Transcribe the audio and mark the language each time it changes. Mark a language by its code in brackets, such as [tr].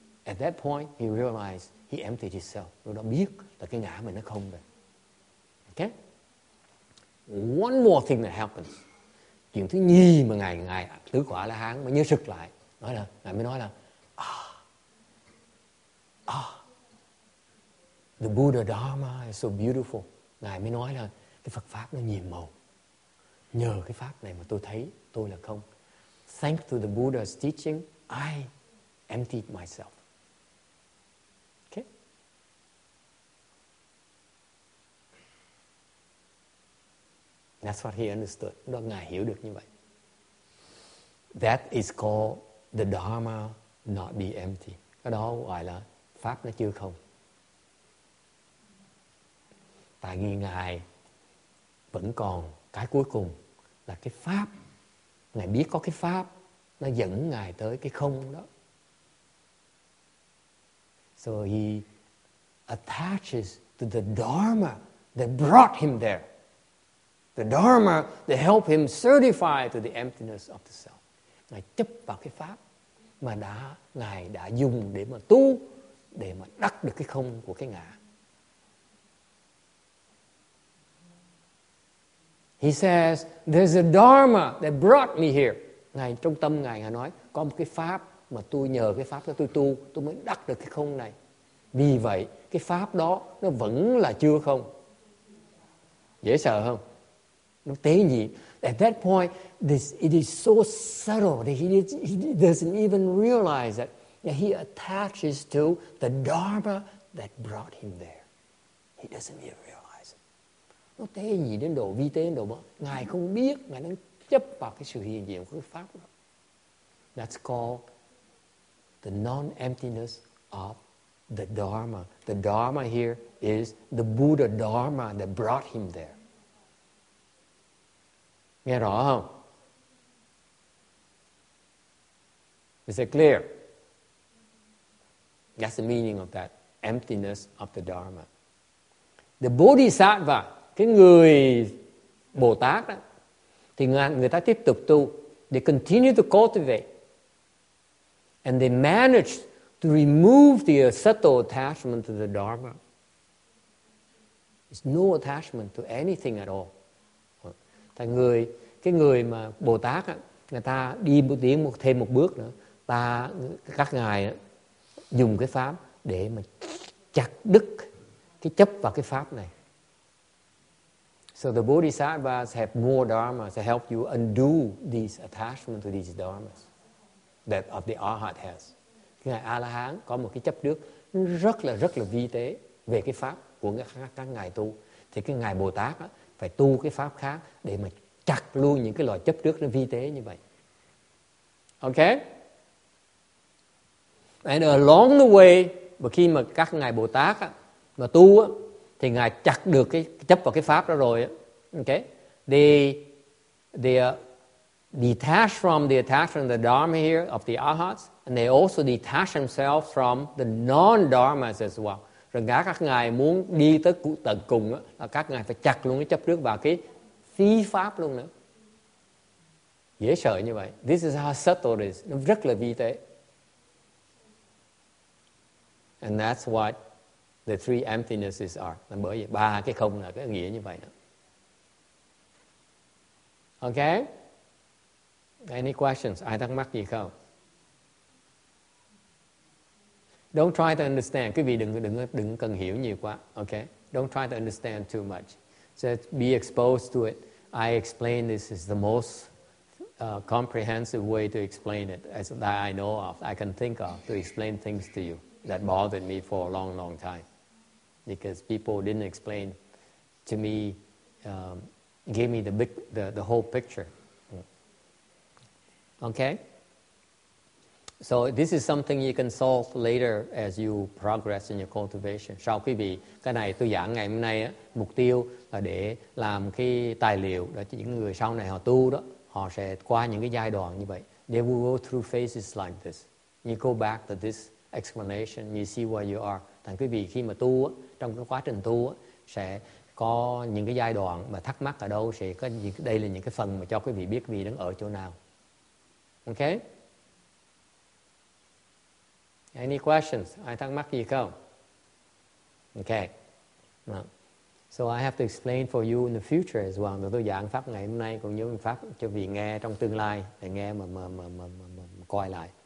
[en] At that point, he realized he emptied himself. [vi] Lúc đó biết là cái ngã mình nó không rồi. Okay? [en] One more thing that happens. [vi] Chuyện thứ nhì mà ngài tứ quả la hán mới nhớ sực lại. Nói là, ngài mới nói là, [en] the Buddha Dharma is so beautiful. [vi] Ngài mới nói là, cái Phật Pháp nó nhiều màu. Nhờ cái Pháp này mà tôi thấy tôi là không. [en] Thanks to the Buddha's teaching, I emptied myself. Okay? That's what he understood. [vi] Đó, ngài hiểu được như vậy. [en] That is called the Dharma not be empty. [vi] Cái đó gọi là Pháp nó chưa không. Tại vì ngài vẫn còn cái cuối cùng là cái Pháp Ngài biết có cái pháp nó dẫn ngài tới cái không đó. [en] So he attaches to the dharma that brought him there. The dharma that helped him certify to the emptiness of the self. [vi] Ngài chấp vào cái pháp mà đã ngài đã dùng để mà tu, để mà đắc được cái không của cái ngã. [en] He says, there's a dharma that brought me here. [vi] Ngài trong tâm ngài, ngài nói, có một cái pháp mà tôi nhờ cái pháp đó tôi tu, tôi mới đắc được cái không này. Vì vậy, cái pháp đó nó vẫn là chưa không. Dễ sợ không? Nó tế nhị. [en] At that point, this it is so subtle that he doesn't even realize that, that he attaches to the dharma that brought him there. He doesn't even realize it. [vi] Nó tế nhị đến độ vi tế đến độ mà ngài không biết, ngài đang chấp vào cái sự hiện diện của cái pháp đó. [en] That's called the non-emptiness of the dharma. The dharma here is the Buddha dharma that brought him there. [vi] Nghe rõ không? [en] Is it clear? That's the meaning of that emptiness of the Dharma. [vi] The Bodhisattva, cái người Bồ Tát đó, thì người ta tiếp tục tu. [en] They continue to cultivate. And they manage to remove the subtle attachment to the Dharma. It's no attachment to anything at all. [vi] Thành người, cái người mà Bồ Tát á, người ta đi một tiếng một thêm một bước nữa, ta các ngài á, dùng cái pháp để mà chặt đứt cái chấp vào cái pháp này. [en] So the Bodhisattvas have more dharma to help you undo these attachment to these dharmas that of the Arhat has. [vi] Ngài A-la-hán có một cái chấp đứt rất là vi tế về cái pháp của các ngài tu, thì cái ngài Bồ Tát á, phải tu cái pháp khác để mà chặt luôn những cái loại chấp trước nó vi tế như vậy. Okay? [en] And along the way, [vi] mà khi mà các ngài Bồ Tát á, mà tu á, thì ngài chặt được cái chấp vào cái pháp đó rồi á. [en] Okay? They detach from the attachment of the Dharma here of the Arhats, and they also detach themselves from the non-Dharmas as well. [vi] Rồi các ngài muốn đi tới tận cùng á, là các ngài phải chặt luôn cái chấp trước vào cái phi pháp luôn nữa. Dễ sợ như vậy. [en] This is how subtle it is. [vi] Nó rất là vi tế. [en] And that's what the three emptinesses are. [vi] Là bởi vì ba cái không là cái nghĩa như vậy. [en] Okay? Any questions? [vi] Ai thắc mắc gì không? [en] Don't try to understand. [vi] Quý vị đừng cần hiểu nhiều quá. [en] Okay? Don't try to understand too much. Just be exposed to it. I explain this is the most comprehensive way to explain it as that I know of, I can think of, to explain things to you that bothered me for a long, long time. Because people didn't explain to me, gave me the whole picture. Okay? So this is something you can solve later as you progress in your cultivation. [vi] Sau quý vị, cái này tôi giảng ngày hôm nay á, mục tiêu là để làm cái tài liệu để cho những người sau này họ tu đó, họ sẽ qua những cái giai đoạn như vậy. [en] They will go through phases like this. You go back to this explanation, you see where you are. [vi] Thành quý vị khi mà tu á, trong cái quá trình tu á, sẽ có những cái giai đoạn mà thắc mắc ở đâu, sẽ có những, đây là những cái phần mà cho quý vị biết quý vị đang ở chỗ nào. [en] Okay? Any questions? [vi] Ai thắc mắc gì không? Okay. [en] So I have to explain for you in the future as well. [vi] Tôi giảng pháp ngày hôm nay cũng như pháp cho vị nghe trong tương lai để nghe mà coi lại.